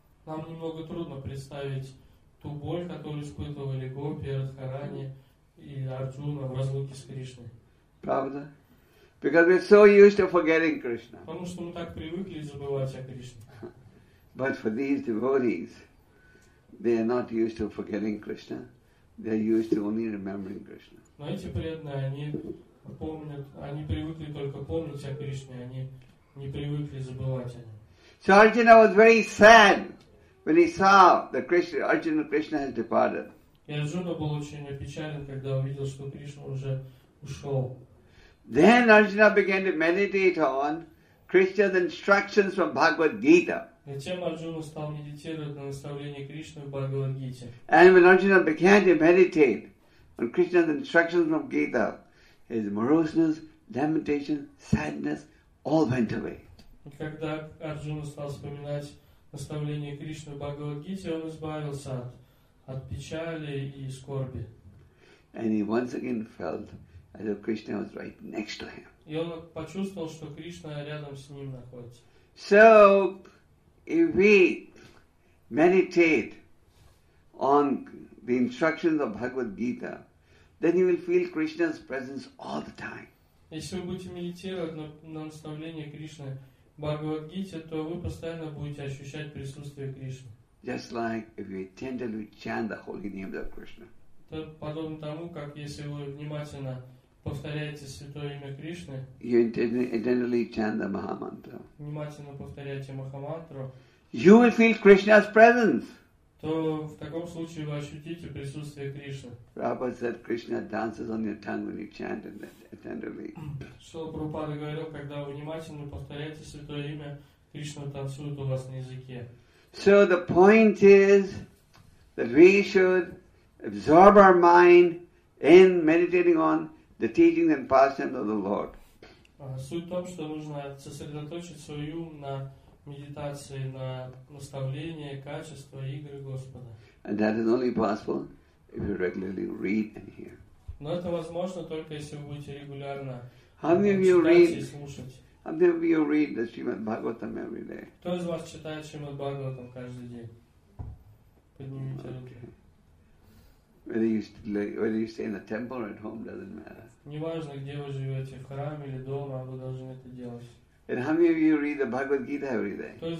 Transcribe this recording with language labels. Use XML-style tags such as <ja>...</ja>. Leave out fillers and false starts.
<ru>Нам немного трудно представить ту боль, которую испытывали гопи, Радхарани и Арджуна в разлуке с Кришной. Правда?</ru> <en>Because we're so used to forgetting Krishna.</en> <ru>Потому что мы так привыкли забывать о Кришне.</ru> <en>But for these devotees, they are not used to forgetting Krishna. They are used to only remembering Krishna.</en> <ru>Но эти преданные, они привыкли только помнить о Кришне, они не привыкли забывать о нем.</ru> <en>So Arjuna was very sad when he saw that Arjuna Krishna has departed. Then Arjuna began to meditate on Krishna's instructions from Bhagavad Gita. And when Arjuna began to meditate on Krishna's instructions from Gita, his moroseness, lamentation, sadness all went away.</en> <ru>Когда Арджуна стал вспоминать наставление Кришны Бхагавад-гите, он избавился от печали и скорби.</ru> <en>And he once again felt as if Krishna was right next to him.</en> <ru>И он почувствовал, что Кришна рядом с ним находится.</ru> <en>So, if we meditate on the instructions of Bhagavad-gita, then you will feel Krishna's presence all the time.</en> <ru>Если вы будете медитировать на наставление Кришны Бхагавад-гите, то вы постоянно будете ощущать присутствие Кришны.</ru> <en>Just like if you tenderly chant the holy name of Krishna.</en> <ru>То подобно тому, как если вы внимательно повторяете святое имя Кришны.</ru> <en>You tenderly chant the Mahamantra.</en> <ru>Внимательно повторяете Махамантру.</ru> <en>You will feel Krishna's presence.</en> <ru>То в таком случае вы ощутите присутствие Кришны.</ru> <en>Prabhupada said Krishna dances on your tongue when you chant and tenderly.</en> <ru>Шрила Прабхупада говорил, когда вы внимательно повторяете святое имя, Кришна танцует у вас на языке.</ru> <en>So the point is that we should absorb our mind in meditating on the teachings and pastimes of the Lord.</en> <ru>Суть в том, что нужно сосредоточить свой ум на медитации, на наставление, качество игры Господа.</ru> <en>And that is only possible if you regularly read and hear.</en> <ru>Но это возможно только если вы будете регулярно читать и слушать.</ru> <en>How many of you read the Srimad Bhagavatam every day?</en> <ru>Кто из вас читает Srimad Bhagavatam каждый день? Поднимите руки.</ru> <en>Whether you stay in a temple or at home doesn't matter.</en> <ru>Неважно, где вы живете, в храме или дома, вы должны это делать.</ru> <en>And how many of you read the Bhagavad Gita every day?</en>